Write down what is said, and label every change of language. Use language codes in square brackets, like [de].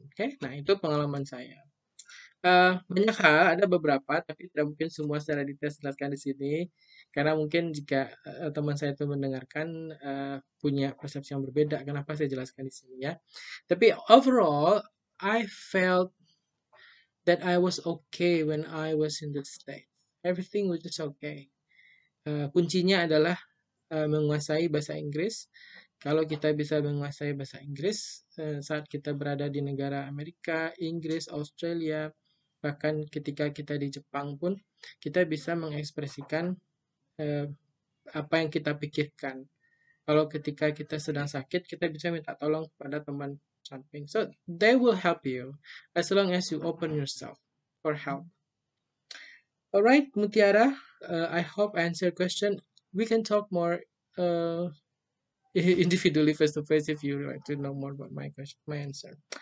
[id] Okay, nah itu pengalaman saya. Banyak hal, ada beberapa, tapi tidak mungkin semua secara detail jelaskan di sini. Karena mungkin jika teman saya itu mendengarkan, punya persepsi yang berbeda, kenapa saya jelaskan di sini ya. [en] Tapi overall, I felt that I was okay when I was in the States. Everything was just okay. [id] Kuncinya adalah menguasai bahasa Inggris. Kalau kita bisa menguasai bahasa Inggris, saat kita berada di negara Amerika, Inggris, Australia, bahkan ketika kita di Jepang pun, kita bisa mengekspresikan apa yang kita pikirkan. Kalau ketika kita sedang sakit, kita bisa minta tolong kepada teman samping. [en] So, they will help you as long as you open yourself for help. Alright, Mutiara, I hope I answered question. We can talk more individually face-to-face if you like to know more about my question, my answer.